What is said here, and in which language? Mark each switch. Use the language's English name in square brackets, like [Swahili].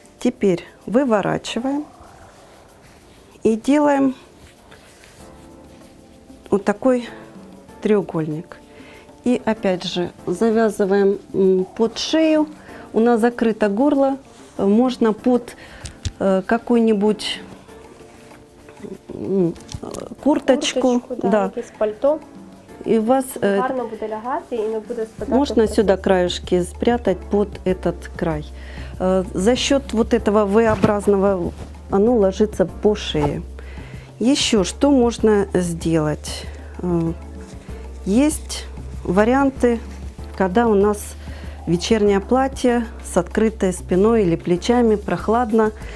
[Russian] Теперь выворачиваем и делаем вот такой треугольник. И опять же завязываем под шею. У нас закрыто горло. Можно под какую-нибудь курточку. [Ukrainian] Курточку, да. Якесь пальто. [Russian] И у вас [Ukrainian] гарно буде лягати, і не буде спадати. [Russian] Можно сюда краешки спрятать под этот край. За счет вот этого V-образного оно ложится по шее. Еще что можно сделать? Есть варианты, когда у нас вечернее платье с открытой спиной или плечами, прохладно.